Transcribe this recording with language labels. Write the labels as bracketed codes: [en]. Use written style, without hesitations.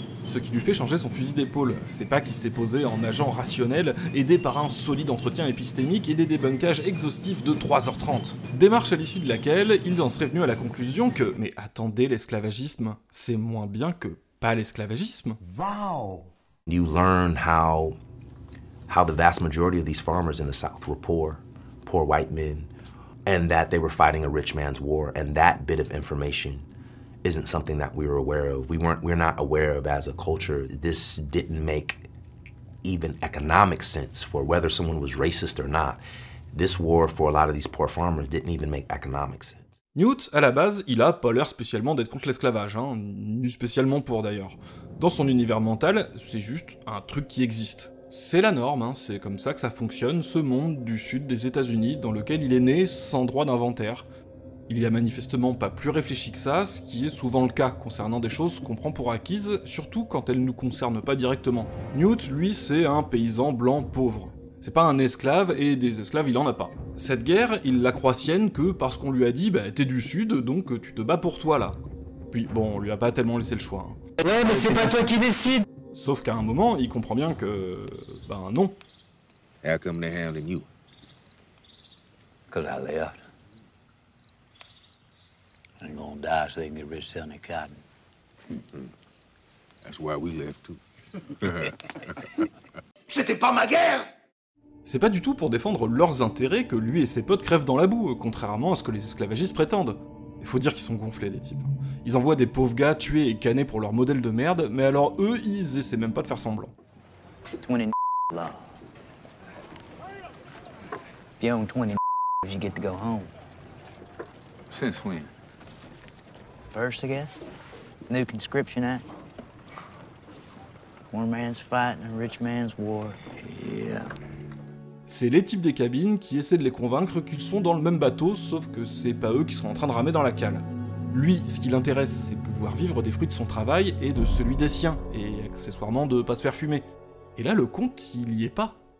[fr] Ce qui lui fait changer son fusil d'épaule, c'est pas qu'il s'est posé en agent rationnel, aidé par un solide entretien épistémique et des débunkages exhaustifs de 3h30. Démarche à l'issue de laquelle, il en serait venu à la conclusion que « Mais attendez, l'esclavagisme, c'est moins bien que pas l'esclavagisme. » Wow. [en] You learn how the vast majority of these farmers in the South were poor, poor white men, and that they were fighting a rich man's war, and that bit of information isn't something that we were aware of. We're not aware of as a culture. This didn't make even economic sense for whether someone was racist or not. This war for a lot of these poor farmers didn't even make economic sense. [fr] Newt, à la base, il a pas l'air spécialement d'être contre l'esclavage, hein, ni spécialement pour d'ailleurs. Dans son univers mental, c'est juste un truc qui existe. C'est la norme, hein, c'est comme ça que ça fonctionne, ce monde du sud des États-Unis dans lequel il est né sans droit d'inventaire. Il y a manifestement pas plus réfléchi que ça, ce qui est souvent le cas concernant des choses qu'on prend pour acquises, surtout quand elles nous concernent pas directement. Newt, lui, c'est un paysan blanc pauvre. C'est pas un esclave, et des esclaves il en a pas. Cette guerre, il la croit sienne que parce qu'on lui a dit « bah t'es du sud, donc tu te bats pour toi là ». Puis bon, on lui a pas tellement laissé le choix. Hein. « Ouais, mais c'est pas toi qui décides !» Sauf qu'à un moment, il comprend bien que... ben non. [en] « How come they're handling you ?»« Cause I left. » They're gonna die so they can get rich selling their cotton. Mm-hmm. That's why we left too. [fr] C'était pas ma guerre! C'est pas du tout pour défendre leurs intérêts que lui et ses potes crèvent dans la boue, contrairement à ce que les esclavagistes prétendent. Il faut dire qu'ils sont gonflés, les types. Ils envoient des pauvres gars tués et canés pour leur modèle de merde, mais alors eux, ils essaient même pas de faire semblant. 20 là. [en] If you own 20 you get to go home. Since when? First, I guess. New Conscription Act. One man's fight and a rich man's war. Yeah. [fr] C'est les types des cabines qui essaient de les convaincre qu'ils sont dans le même bateau, sauf que c'est pas eux qui sont en train de ramer dans la cale. Lui, ce qui l'intéresse, c'est pouvoir vivre des fruits de son travail et de celui des siens, et accessoirement de pas se faire fumer. Et là, le conte, il y est pas.